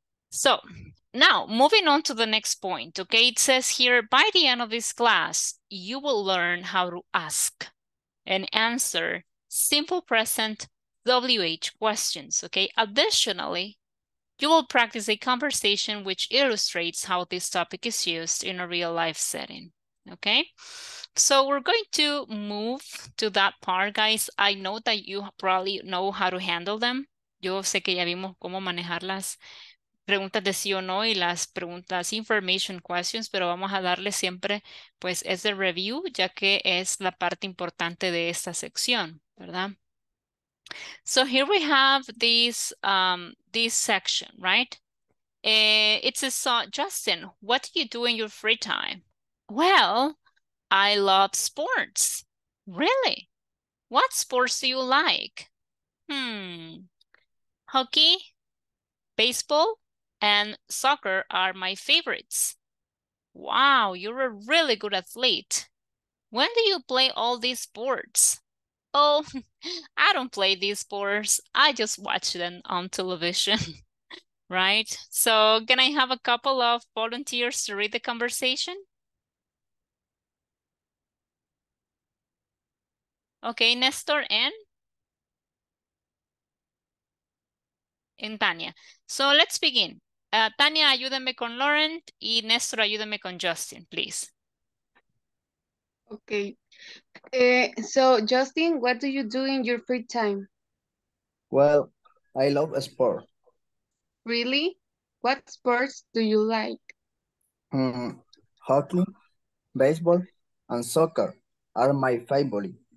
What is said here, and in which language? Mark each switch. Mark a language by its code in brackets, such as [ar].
[en] So now moving on to the next point, okay? It says here, by the end of this class, you will learn how to ask and answer simple present WH questions, okay? Additionally, you will practice a conversation which illustrates how this topic is used in a real life setting. Okay, so we're going to move to that part, guys. I know that you probably know how to handle them. [es] Yo sé que ya vimos cómo manejar las preguntas de sí o no y las preguntas information questions, pero vamos a darle siempre, pues, ese review, ya que es la parte importante de esta sección, ¿verdad? [en] So here we have this, this section, right? It says, Justin, what do you do in your free time? Well, I love sports. Really? What sports do you like? Hockey, baseball, and soccer are my favorites. Wow, you're a really good athlete. When do you play all these sports? Oh, I don't play these sports. I just watch them on television. Right? So can I have a couple of volunteers to read the conversation? Okay, Nestor and Tania. So let's begin. [es] Tania, ayúdame con Lauren, y Nestor, ayúdame con Justin, please. [en] Okay. So Justin, what do you do in your free time? Well, I love a sport. Really? What sports do you like? Hockey, baseball, and soccer are my favorite.